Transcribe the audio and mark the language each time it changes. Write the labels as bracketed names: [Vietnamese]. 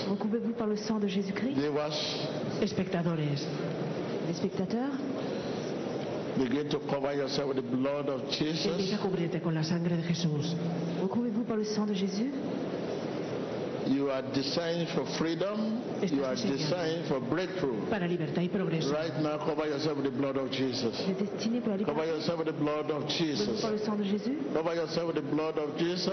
[French] Recouvrez-vous par le sang de Jésus-Christ. [English] Viewers, [French] spectateurs, les spectateurs, [English] begin to cover yourself with the blood of Jesus. [French] Et déjà couvrez-vous par le sang de Jésus. [English] You are designed for freedom. [Spanish] Estás [English] you are designed for breakthrough. [Spanish] Para libertad y progreso. [English] Right now, cover yourself with the blood of Jesus. Cover yourself with the blood of Jesus. Cover yourself with the blood of Jesus.